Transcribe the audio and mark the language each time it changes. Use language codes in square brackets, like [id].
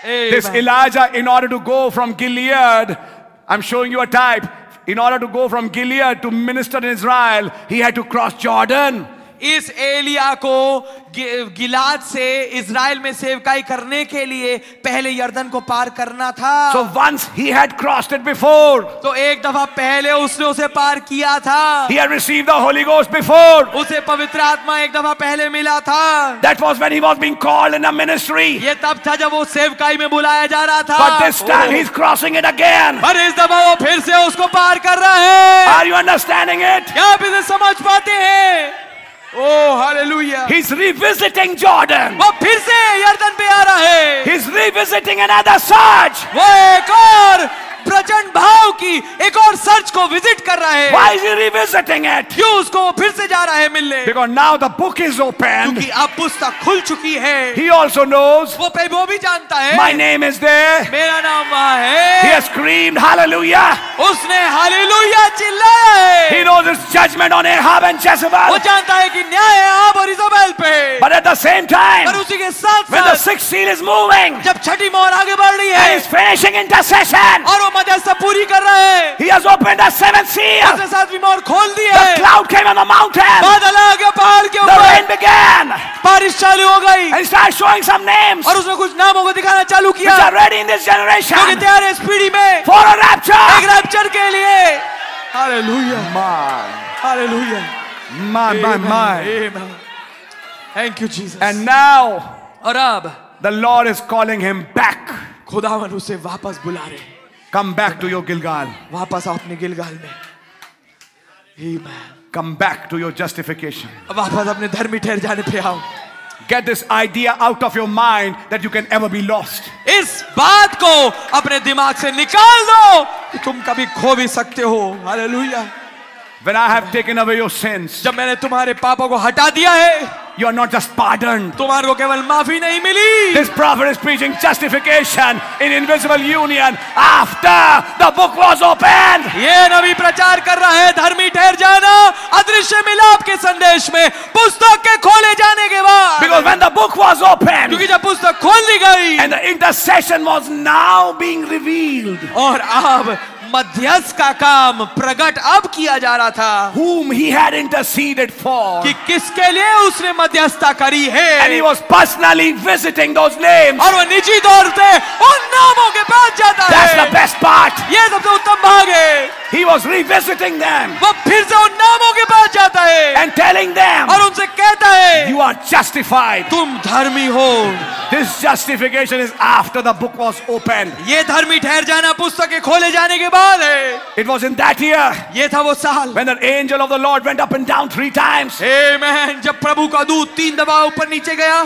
[en] This Elijah, in order to go from Gilead, I'm showing you a type. In order to go from Gilead to minister in Israel, he had to cross Jordan. [hi] इस एलिया को गिलाद से Israel में सेवकाई करने के लिए पहले यर्दन को पार करना था. [en] So once he had crossed it before. [hi] तो एक दफा पहले उसने उसे पार किया था. [en] He had received the Holy Ghost before. [hi] उसे पवित्र आत्मा एक दफा पहले मिला था. [en] That was when he was being called in a ministry. [hi] ये तब था जब वो सेवकाई में बुलाया जा रहा था. [en] But this time he's crossing it again. [hi] पर इस दफा वो फिर से उसको पार कर रहा है. [en] Are you understanding it? [hi] क्या आप इसे समझ पाते हैं? [en] Oh, hallelujah. He's revisiting Jordan. [hi] वो फिर से यर्दन पे आ रहा है. [en] He's revisiting another search. [hi] वो एक और प्रचंड भाव की एक और सर्च को विजिट कर रहा है. [en] Why is he revisiting it? [hi] क्यों उसको फिर से जा रहा है मिलने? [en] Because now the book is open. [hi] क्योंकि अब पुस्तक खुल चुकी है. [en] He also knows. [hi] वो भी जानता है. [en] My name is there. [hi] मेरा नाम वहाँ है. [en] He has screamed hallelujah. [hi] उसने हालेलुया चिल्लाया है. [en] He knows his judgment on Ahab and Jezebel. [hi] वो जानता है कि न्याय आप और इजबेल पे. [en] But at the same time. [hi] पर उसी के साथ [en] when the sixth seal is moving. [hi] जब छठी मोहर आगे बढ़ रही है. [en] He is finishing intercession. [hi] पूरी कर रहे. [en] He has opened the seventh seal. [hi] सातवीं मोहर खोल दी है. [en] The cloud came on the mountain. [hi] बादल आ गए पहाड़ के [en] ऊपर. The rain began. [hi] बारिश चालू हो गई. [en] And start showing some names. [hi] और उसने कुछ नामों को दिखाना चालू किया. [en] Which are ready in this generation. [hi] क्योंकि तैयार है इस पीढ़ी में. [en] For a rapture. [hi] एक रैप्चर के लिए. [en] Hallelujah. My. Hallelujah. My, my, my. Amen. Thank you, Jesus. And now. [hi] और अब. [en] The Lord is calling him back. [hi] खुदावन उसे वापस बुला रहे. [en] Come back to your Gilgal. [hi] वापस अपने गिलगाल में. Amen. [en] Come back to your justification. [hi] वापस अपने धर्मी ठहर जाने पे आओ. [en] Get this idea out of your mind that you can ever be lost. [hi] इस बात को अपने दिमाग से निकाल दो कि तुम कभी खो भी सकते हो. [en] Hallelujah. When I have taken away your sins. [hi] जब मैंने तुम्हारे पापों को हटा दिया है. [en] You are not just pardoned. [hi] तुम्हारे को केवल माफी नहीं मिली. [en] This prophet is preaching justification in invisible union after the book was opened. [hi] ये नबी प्रचार कर रहा है धर्मी ठहर जाना अदृश्य मिलाप के संदेश में पुस्तक के खोले जाने के बाद. [en] Because when the book was opened. [hi] क्योंकि जब पुस्तक खोल ली गई. [en] And the intercession was now being revealed. [hi] और अब मध्यस्थ का काम प्रकट अब किया जा रहा था. [en] Whom he had interceded for. [hi] कि किसके लिए उसने मध्यस्थता करी है. [en] And he was personally visiting those names. [hi] और वो निजी तौर से उन नामों के पास जाता [en] है. That's the best part. [hi] ये सबसे उत्तम भाग है. [en] He was revisiting them. [hi] वो फिर से उन नामों के पास जाता है. [en] And telling them. [hi] और उनसे कहता है. [en] You are justified. [hi] तुम धर्मी हो. [en] This justification is after the book was opened. [hi] ये धर्मी ठहर जाना पुस्तक के खोले जाने के. [en] It was in that year. [hi] ये था वो साल. [en] When the angel of the Lord went up and down three times. Amen. [hi] जब प्रभु का दूत तीन दफा ऊपर नीचे गया.